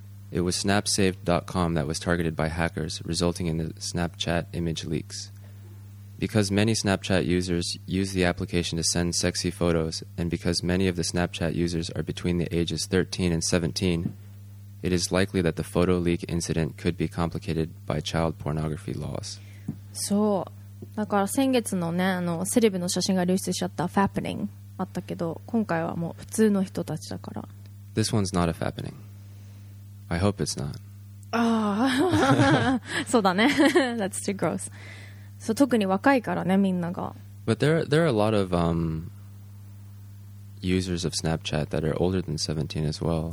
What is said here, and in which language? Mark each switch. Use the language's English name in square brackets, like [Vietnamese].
[English] It was snapsaved.com that was targeted by hackers, resulting in the Snapchat image leaks. Because many Snapchat users use the application to send sexy photos, and because many of the Snapchat users are between the ages 13 and 17, it is likely that the photo leak incident could be complicated by child pornography laws. So... [Japanese] だから先月のね、あのセレブの写真が流出しちゃったファプニングあったけど、今回はもう普通の人たちだから。 [English] This one's not a fappening. I hope it's not. [Japanese] ああそうだね。 [English] That's too gross. [Japanese] そう、特に若いからね、みんなが。 [English] But there are a lot of、users of Snapchat that are older than 17 as well.